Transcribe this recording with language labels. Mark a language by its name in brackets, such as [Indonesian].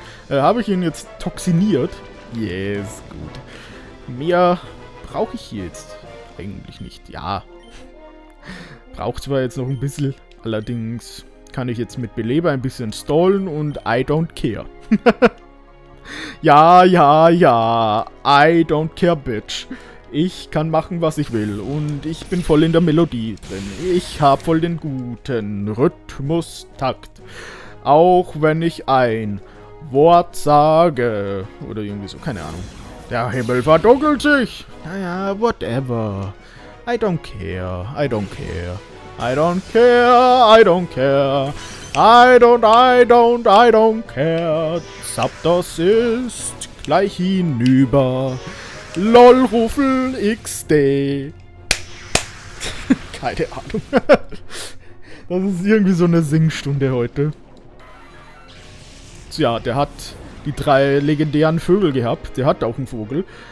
[German] habe ich ihn jetzt toxiniert? Yes, gut. Mehr brauche ich hier jetzt eigentlich nicht. Ja, braucht zwar jetzt noch ein bisschen, allerdings kann ich jetzt mit Beleber ein bisschen stallen und [English] I don't care. [German] Ja, ja, ja, [English] I don't care, bitch. [German] Ich kann machen, was ich will und ich bin voll in der Melodie drin. Ich hab voll den guten Rhythmus-Takt. Auch wenn ich ein Wort sage oder irgendwie so, keine Ahnung. Der Himmel verdunkelt sich. Naja, whatever. [English] I don't care, I don't care. I don't care, I don't care. I don't care. [German] Zapdos ist gleich hinüber. LOL Rufel XD. Keine Ahnung. Das ist irgendwie so eine Singstunde heute. Tja, der hat die drei legendären Vögel gehabt. Der hat auch einen Vogel.